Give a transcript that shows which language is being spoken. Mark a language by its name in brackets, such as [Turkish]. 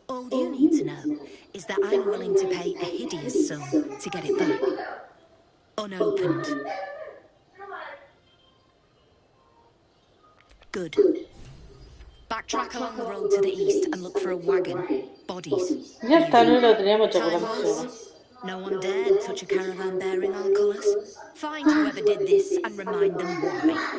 [English] All you need to know is that I'm willing to pay a hideous sum to get it back. Unopened. Good. Backtrack along the road to the east and look for a wagon. Bodies. [Italian] In realtà noi lo teniamo già con la missione. [English] No one dared touch a caravan bearing our colors. Find whoever did this and remind them why.